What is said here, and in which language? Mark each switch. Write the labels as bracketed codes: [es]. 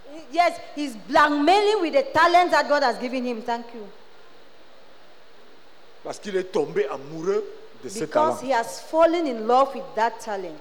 [en] Yes, he's blackmailing with the talent that God has given him. Thank you. [fr] Parce qu'il est tombé amoureux de ce talent. [en] Because he has fallen in love with that talent.